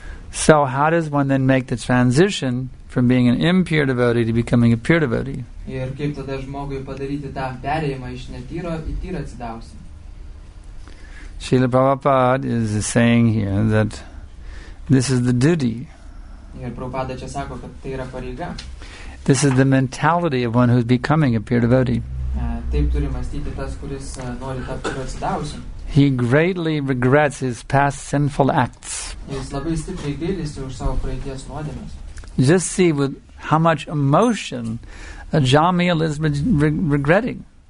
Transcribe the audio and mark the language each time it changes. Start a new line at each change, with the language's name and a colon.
English: So how does one then make the transition from being an impure devotee to becoming a pure devotee?
Lithuanian: Ir kaip tada žmogui padaryti tą perėjimą iš netyro į tyrą atsidavusį?
English: Srila Prabhupada is saying here that this is the duty.
Lithuanian: Ir Prabhupada čia sako, kad tai yra pareiga.
English: This is the mentality of one who's becoming a pure devotee.
Lithuanian: Taip turi mąstyti tas, kuris nori tapti atsidavusį.
English: He greatly regrets his past sinful acts.
Lithuanian: Jis labai stipriai gailisi už savo praeities nuodėmes.
English: Just see with how much emotion Ajamil is regretting.